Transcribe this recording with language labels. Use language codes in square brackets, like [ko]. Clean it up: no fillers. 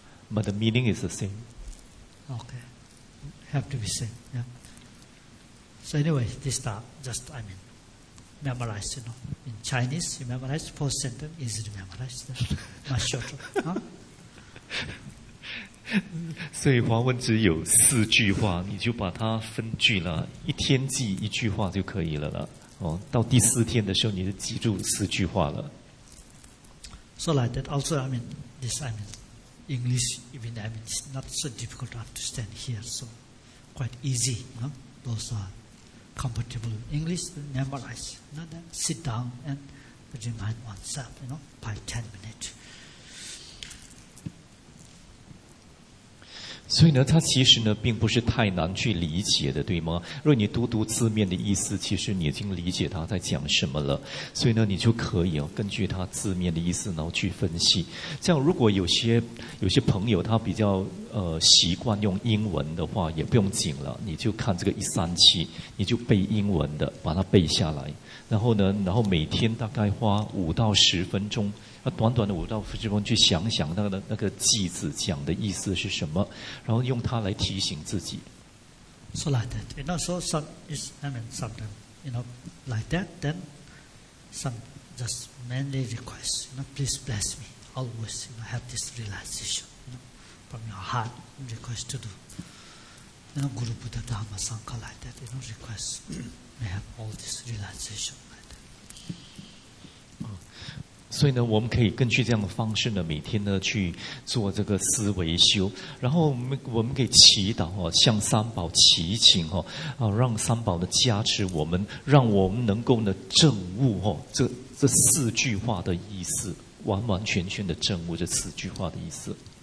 [en] But the meaning is the same. Okay. Have to be same. Yeah. So anyway, this time, just, I mean, memorize, you know. In Chinese, you memorize four sentences, easily memorize. That's much shorter. Huh? [zh] 所以华文只有四句话，你就把它分句了，一天记一句话就可以了了。到第四天的时候，你就记住四句话了。 [en] So like that, also I mean, this I mean, English even I mean, it's not so difficult to understand here, so quite easy. No, those are comfortable English. Memorize, no, then sit down and remind oneself, you know, by 10 minutes. [zh] 所以呢，它其实呢，并不是太难去理解的，对吗？如果你读读字面的意思，其实你已经理解它在讲什么了。所以呢，你就可以哦，根据它字面的意思，然后去分析。这样，如果有些朋友他比较习惯用英文的话，也不用紧了，你就看这个一三七，你就背英文的，把它背下来。然后呢，然后每天大概花5到10分钟。短短的5到10分钟去想想那个偈子讲的意思是什么，然后用它来提醒自己。 [en] So like that, you know, so some is, I mean, sometimes, you know, like that, then some just mainly request, you know, please bless me, always, you know, have this realization, you know, from your heart, request to do. You know, Guru Buddha Dhamma Sangha like that, you know, request, may have all this realization. [zh] 所以呢，我们可以根据这样的方式呢，每天呢去做这个思维修，然后我们可以祈祷哦，向三宝祈请哦，让三宝的加持我们，让我们能够呢证悟哦，这四句话的意思，完完全全的证悟这四句话的意思。